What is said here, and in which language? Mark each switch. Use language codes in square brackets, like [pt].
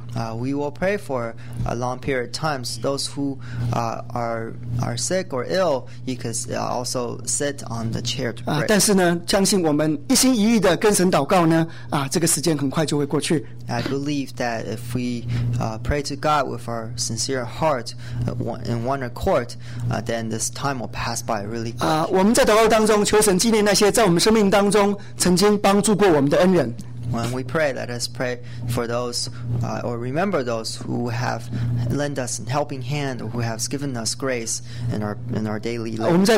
[en] We will pray for a long period of time. So those who are sick or ill, you can also sit on the chair to pray. [zh] 但是呢，相信我们一心一意的跟神祷告呢，这个时间很快就会过去。 [en] I believe that if we pray to God with our sincere heart in one accord, then this time will pass by really quick. [zh] 我们在祷告当中求神纪念那些在我们生命当中曾经帮助过我们的恩人。 [en] When we pray, let us pray for those or remember those who have lent us a helping hand or who have given us grace in our daily life.